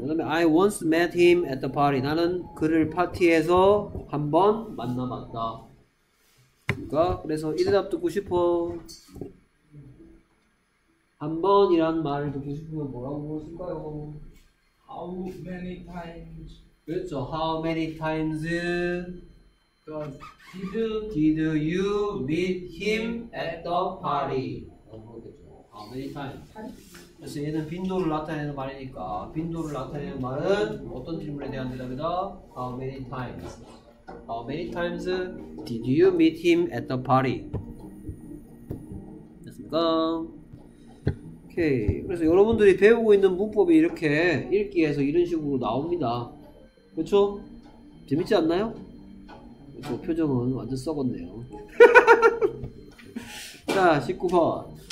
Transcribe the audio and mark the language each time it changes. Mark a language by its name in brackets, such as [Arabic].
[Korean] 그 다음에 [English] I once met him at the party. [Korean] 나는 그를 파티에서 한번 만나봤다. 그러니까 그래서 이 대답 듣고 싶어. 한번 이란 말을 듣고 싶으면 뭐라고 물었을까요? [English] How many times? [Korean] 그렇죠. [English] How many times did you meet him at the party? [Korean] 그렇죠. [English] How many times? [Korean] 그래서 얘는 빈도를 나타내는 말이니까 빈도를 나타내는 말은 어떤 질문에 대한 대답이다? [English] How many times? How many times did you meet him at the party? [Korean] 됐습니까? 오케이. 그래서 여러분들이 배우고 있는 문법이 이렇게 읽기에서 이런 식으로 나옵니다. 그렇죠? 재밌지 않나요? 그쵸? 표정은 완전 썩었네요. 자, 19번.